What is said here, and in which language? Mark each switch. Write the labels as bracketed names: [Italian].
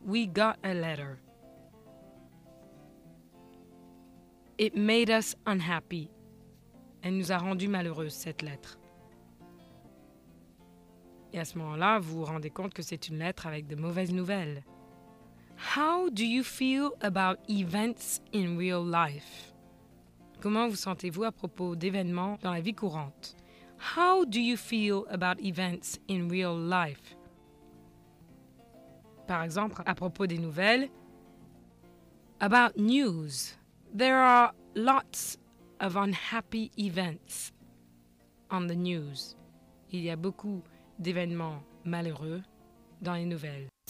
[English] « We got a letter. » It made us unhappy. [French] Elle nous a rendu malheureuse, cette lettre. Et à ce moment-là, vous vous rendez compte que c'est une lettre avec de mauvaises nouvelles. [English] How do you feel about events in real life? [French] Comment vous sentez-vous à propos d'événements dans la vie courante? [English] How do you feel about events in real life? [French] Par exemple, à propos des nouvelles. [English] About news, there are lots of unhappy events on the news. [French] Il y a beaucoup d'événements malheureux dans les nouvelles.